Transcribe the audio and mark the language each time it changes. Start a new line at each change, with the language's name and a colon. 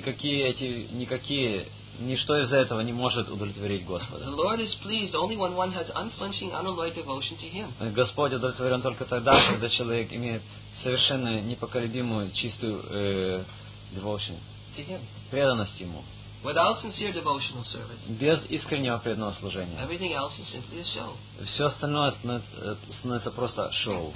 Russian: Ничто из этого не может удовлетворить Господа.
English: The Lord is pleased only when one has unflinching, unalloyed devotion to Him.
Russian: Господь удовлетворен только тогда, когда человек имеет совершенно непоколебимую, чистую devotion.
English: To Him.
Russian: Преданность Ему.
English: Without sincere devotional service.
Russian: Без искреннего преданного служения.
English: Everything else is simply a show.
Russian: Все остальное становится просто шоу.